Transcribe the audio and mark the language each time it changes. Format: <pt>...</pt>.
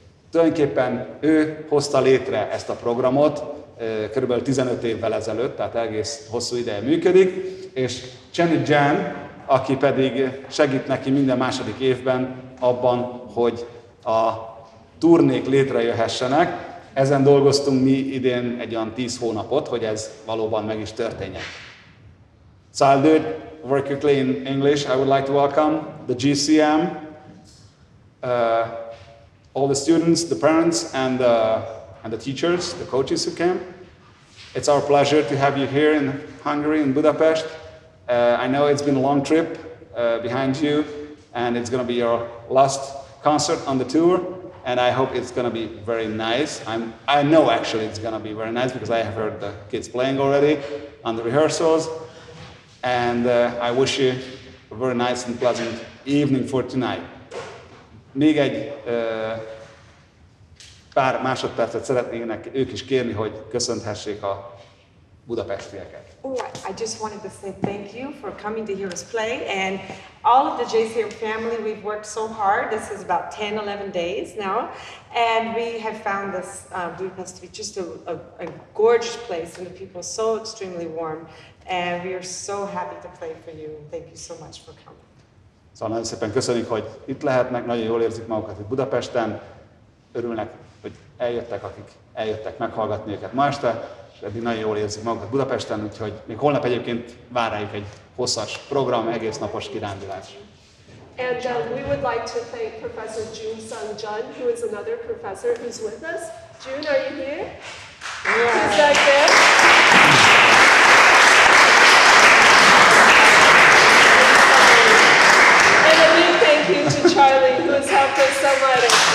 <hu>Tulajdonképpen ő hozta létre ezt a programot körülbelül 15 évvel ezelőtt, tehát egész hosszú ideje működik, és Chen, aki pedig segít neki minden második évben abban, hogy a turnék létrejöhessenek. Ezen dolgoztunk mi idén egy olyan 10 hónapot, hogy ez valóban meg is történjen.</hu> <en>So I'll do it very quickly in English. I would like to welcome the JCM, all the students, the parents and the teachers, the coaches who came. It's our pleasure to have you here in Hungary, in Budapest. I know it's been a long trip behind you, and it's going to be your last concert on the tour, and I hope it's going to be very nice. I know actually it's going to be very nice because I have heard the kids playing already on the rehearsals, and I wish you a very nice and pleasant evening for tonight.</en> <hu>Még egy pár másodpercet szeretnének ők is kérni, hogy köszönhessék a budapestieket.</hu> <en>Oh, I just wanted to say thank you for coming to hear us play, and all of the JCM family, we've worked so hard. This is about 10-11 days now, and we have found this Budapest to be just a gorgeous place, and the people so extremely warm, and we are so happy to play for you. Thank you so much for coming.</en> <hu>Szóval nagyon szépen köszönjük, hogy itt lehetnek, nagyon jól érzik magukat itt Budapesten, örülnek, hogy eljöttek, akik eljöttek meghallgatni őket ma este. Eddig nagyon jól érzik magukat Budapesten, úgyhogy még holnap egyébként várjuk egy hosszas program, egész napos kirándulás.</hu> <en>And we would like to thank Professor June Sung Jun, who is another professor who's with us. June, are you here? Yeah. He's back there. And a big thank you to Charlie, who has helped us so much.</en>